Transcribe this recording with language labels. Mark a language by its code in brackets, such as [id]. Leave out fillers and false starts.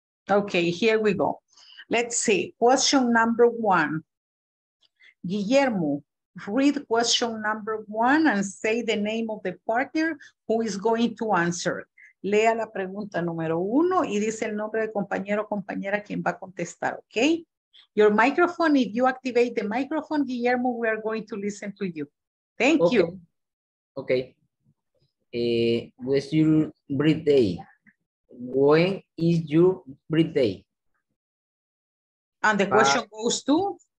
[en] Okay, here we go. Let's see. Question number one. Guillermo, read question number one and say the name of the partner who is going to answer. [es] Lea la pregunta número uno y dice el nombre del compañero o compañera quien va a contestar, okay? [en] Your microphone, if you activate the microphone, Guillermo, we are going to listen to you. Thank okay. you. Okay. What's your birthday? When is your birthday? And the question goes to?